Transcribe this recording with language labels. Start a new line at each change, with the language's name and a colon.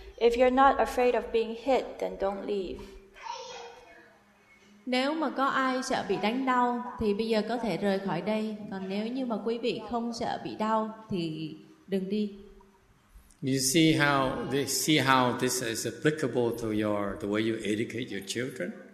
English: If you're not afraid of being hit, then don't leave.
Vietnamese: Nếu mà có ai sợ bị đánh đau thì bây giờ có thể rời khỏi đây, còn nếu như mà quý vị không sợ bị đau thì đừng đi.
English: You see how this is applicable to the way you educate your children.